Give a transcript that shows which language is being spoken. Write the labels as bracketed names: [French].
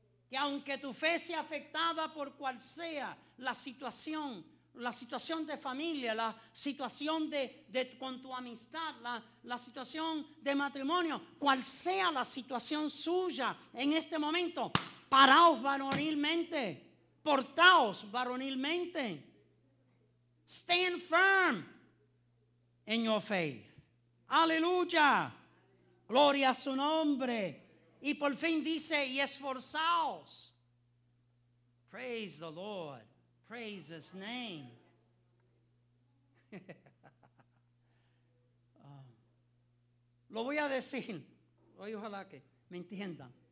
[Spanish] Que aunque tu fe sea afectada por cual sea la situación de familia, la situación de con tu amistad, la situación de matrimonio, cual sea la situación suya en este momento, paraos varonilmente, portaos varonilmente. [English] Stand firm in your faith. [Spanish] Aleluya. Gloria a su nombre. Y por fin dice, y esforzaos. [English] Praise the Lord. Praise his name. [Spanish] Lo voy a decir. Oye, ojalá que me entiendan.